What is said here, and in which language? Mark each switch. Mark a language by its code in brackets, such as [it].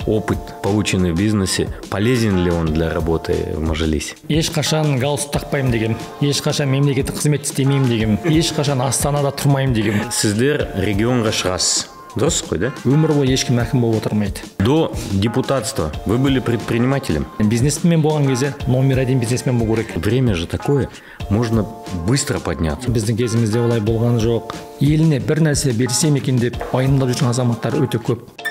[ru] опыт, полученный в бизнесе, полезен ли он для работы в Мажилисе? [kk] Ешқашан галстук тақпайм деген, ешқашан мемлекеттік қызмет істемеймін деген, ешқашан Астанада тұрмаймын деген. Сіздер регионға шығасыз. Дұрыс қой, да? Өмір бойы ешкім әкім болып отырмайды. [ru] До депутатства вы были предпринимателем? [kk] Бизнесмен болған кезде [ru] номер один [kk] бизнесмен болу керек. [ru] Время же такое, можно быстро подняться. [kk] Біздің кезімізде олай болған жоқ. Еліне бір нәрсе берсем екен деп айындап жүрген азаматтар өте көп.